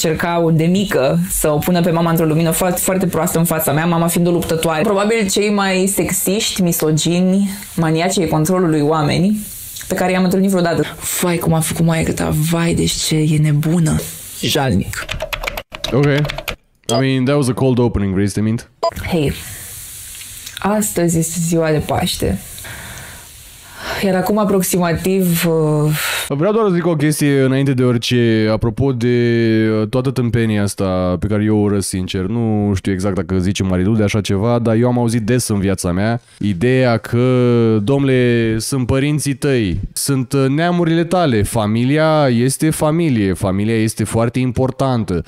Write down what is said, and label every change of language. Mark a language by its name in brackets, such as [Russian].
[Romanian] Încercau de mică să o pună pe mama într-o lumină foarte, foarte proastă în fața mea, mama fiind o luptătoare. Probabil cei mai sexiști, misogini, maniaci ai controlului oameni pe care i-am întâlnit vreodată. Vai cum a făcut maică-ta, vai, deci ce e nebună. Jalnic. Ok. [English] I mean, that was a cold opening, raise the mint. [Romanian] Hey, astăzi este ziua de Paște. Iar acum aproximativ... Vreau doar să zic o chestie înainte de orice, apropo de toată tâmpenia asta pe care eu o urăsc sincer. Nu știu exact dacă zice Marilu de așa ceva, dar eu am auzit des în viața mea ideea că, domnule, sunt părinții tăi, sunt neamurile tale, familia este familie, familia este foarte importantă.